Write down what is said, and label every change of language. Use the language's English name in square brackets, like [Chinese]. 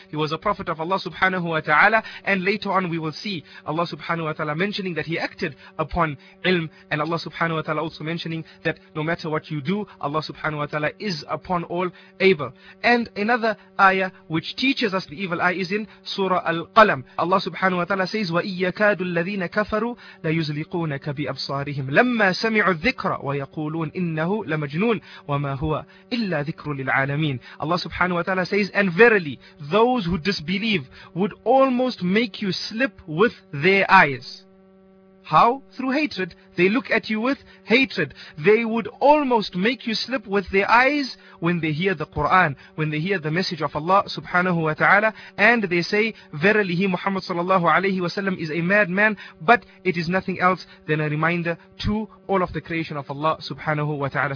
[English] He was a prophet of Allah subhanahu wa ta'ala, and later on we will see Allah subhanahu wa ta'ala mentioning that he acted upon ilm, and Allah subhanahu wa ta'ala also mentioning that no matter what you do, Allah subhanahu wa ta'ala is upon all able. And another ayah which teaches us the evil eye is in Surah Al-Qalam. Allah subhanahu wa ta'ala says, [Arabic] وَإِيَّكَادُ الَّذِينَ كَفَرُوا لَيُزْلِقُونَكَ بِأَبْصَارِهِمْ لَمَّا سَمِعُوا الذِّكْرَ وَيَقُولُونَ إنه لمجنون وما هو إلا ذكر للعالمين. [English] Allah subhanahu wa ta'ala says, and verily those who disbelieve would almost make you slip with their eyes. How? Through hatred. They look at you with hatred. They would almost make you slip with their eyes when they hear the Quran, when they hear the message of Allah subhanahu wa ta'ala, and they say, verily he Muhammad sallallahu alayhi wa sallam is a madman, but it is nothing else than a reminder to all of the creation of Allah subhanahu wa ta'ala.